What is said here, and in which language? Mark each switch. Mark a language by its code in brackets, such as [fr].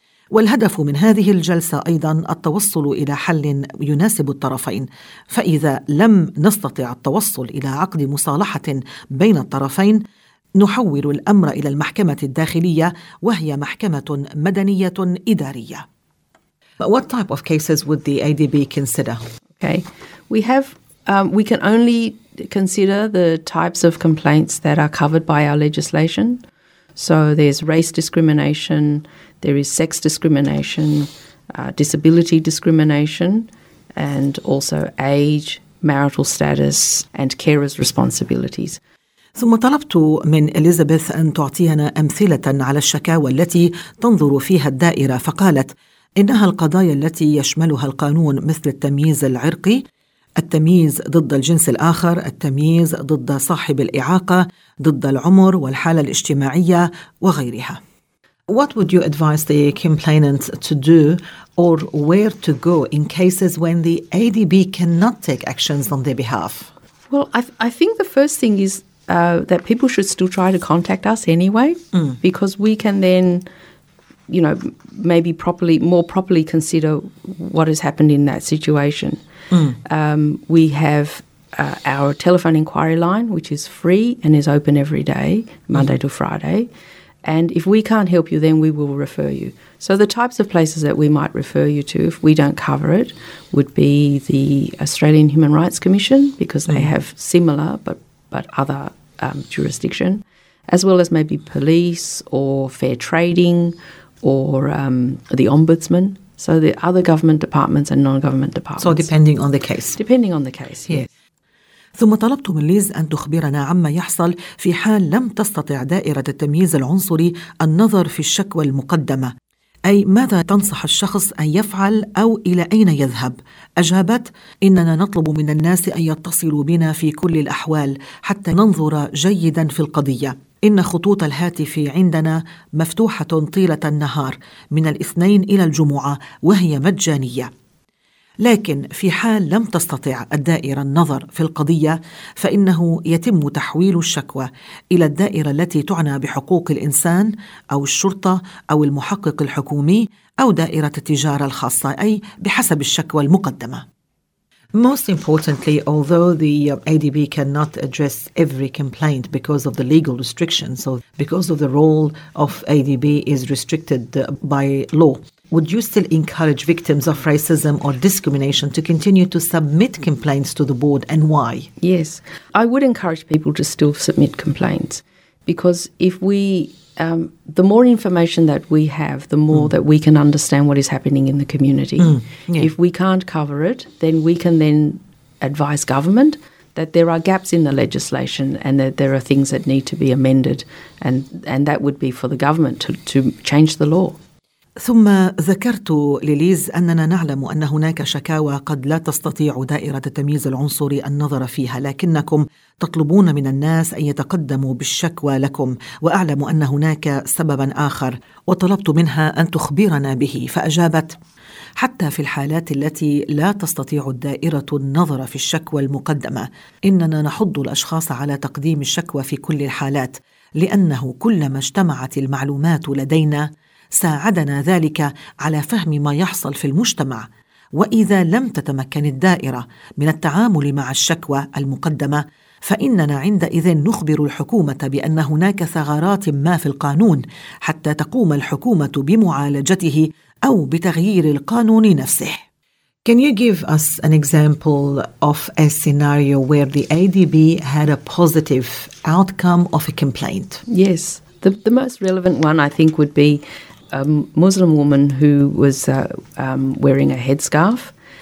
[ar] والهدف من هذه الجلسة أيضا التوصل إلى حل يناسب الطرفين، فإذا لم نستطع التوصل إلى عقد مصالحة بين الطرفين نحول الأمر إلى المحكمة الداخلية، وهي محكمة مدنية إدارية. [en] But what type of cases would the ADB consider? Okay, we can only consider the types of complaints that are covered by our legislation. So there's race discrimination, there is sex discrimination, disability discrimination, and also age, marital status, and carer's responsibilities. [ar] ثم طلبت من إليزابيث أن تعطينا أمثلة على الشكاوى التي تنظر فيها الدائرة، فقالت: إنها القضايا التي يشملها القانون مثل التمييز العرقي، التمييز ضد الجنس الآخر، التمييز ضد صاحب الإعاقة، ضد العمر والحالة الاجتماعية وغيرها. [en] What would you advise the complainant to do or where to go in cases when the ADB cannot take actions on their behalf? Well, I think the first thing is that people should still try to contact us anyway, because we can then, you know, maybe more properly consider what has happened in that situation. We have our telephone inquiry line, which is free and is open every day, Monday to Friday. And if we can't help you, then we will refer you. So the types of places that we might refer you to if we don't cover it would be the Australian Human Rights Commission, because they have similar but other jurisdiction, as well as maybe police or fair trading or the ombudsman. So the other government departments and non-government departments. So depending on the case. Depending on the case, yes. [ar] ثم طلبت من ليز أن تخبرنا عما يحصل في حال لم تستطع دائرة التمييز العنصري النظر في الشكوى المقدمة، أي ماذا تنصح الشخص أن يفعل أو إلى أين يذهب؟ أجابت: إننا نطلب من الناس أن يتصلوا بنا في كل الأحوال حتى ننظر جيدا في القضية. إن خطوط الهاتف عندنا مفتوحة طيلة النهار من الاثنين إلى الجمعة وهي مجانية، لكن في حال لم تستطع الدائرة النظر في القضية فإنه يتم تحويل الشكوى إلى الدائرة التي تعنى بحقوق الإنسان أو الشرطة أو المحقق الحكومي أو دائرة التجارة الخاصة، أي بحسب الشكوى المقدمة. [en] Most importantly, although the ADB cannot address every complaint because of the legal restrictions, so because of the role of ADB is restricted by law, Would you still encourage victims of racism or discrimination to continue to submit complaints to the board, and why? Yes, I would encourage people to still submit complaints, because if we, the more information that we have, the more that we can understand what is happening in the community. If we can't cover it, then we can then advise government that there are gaps in the legislation and that there are things that need to be amended, and that would be for the government to change the law. [ar] ثم ذكرت لليز أننا نعلم أن هناك شكاوى قد لا تستطيع دائرة التمييز العنصري النظر فيها، لكنكم تطلبون من الناس أن يتقدموا بالشكوى لكم، وأعلم أن هناك سببا آخر وطلبت منها أن تخبرنا به، فأجابت: حتى في الحالات التي لا تستطيع الدائرة النظر في الشكوى المقدمة، إننا نحض الأشخاص على تقديم الشكوى في كل الحالات، لأنه كلما اجتمعت المعلومات لدينا ساعدنا ذلك على فهم ما يحصل في المجتمع، وإذا لم تتمكن الدائرة من التعامل مع الشكوى المقدمة، فإننا عندئذ نخبر الحكومة بأن هناك ثغرات ما في القانون حتى تقوم الحكومة بمعالجته أو بتغيير القانون نفسه. [en] Can you give us an example of a scenario where the ADB had a positive outcome of a complaint? Yes, the most relevant one I think would be a Muslim woman who was wearing a headscarf.